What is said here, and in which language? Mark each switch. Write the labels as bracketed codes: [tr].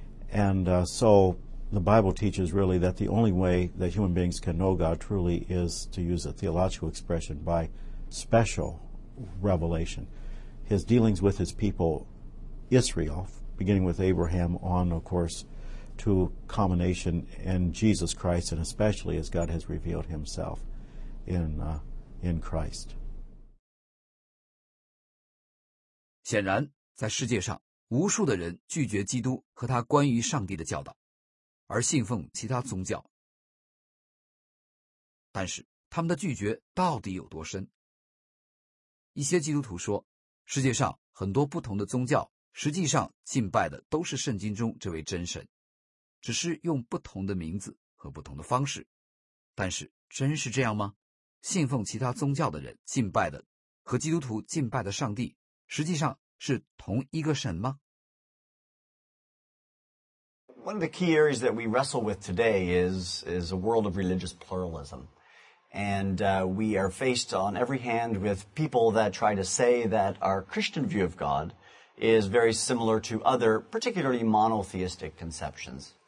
[en] And so the Bible teaches really that the only way that human beings can know God truly is, to use a theological expression, by special revelation. His dealings with his people, Israel, beginning with Abraham on, of course, to culmination in Jesus Christ, and especially as God has revealed himself in Christ. [zh] 显然，在世界上，无数的人拒绝基督和他关于上帝的教导，而信奉其他宗教。但是，他们的拒绝到底有多深？一些基督徒说，世界上很多不同的宗教实际上敬拜的都是圣经中这位真神，只是用不同的名字和不同的方式。但是，真是这样吗？信奉其他宗教的人敬拜的和基督徒敬拜的上帝实际上是同一个神吗？ [en] One of the key areas that we wrestle with today is a world of religious pluralism. And we are faced on every hand with people that try to say that our Christian view of God is very similar to other, particularly monotheistic conceptions.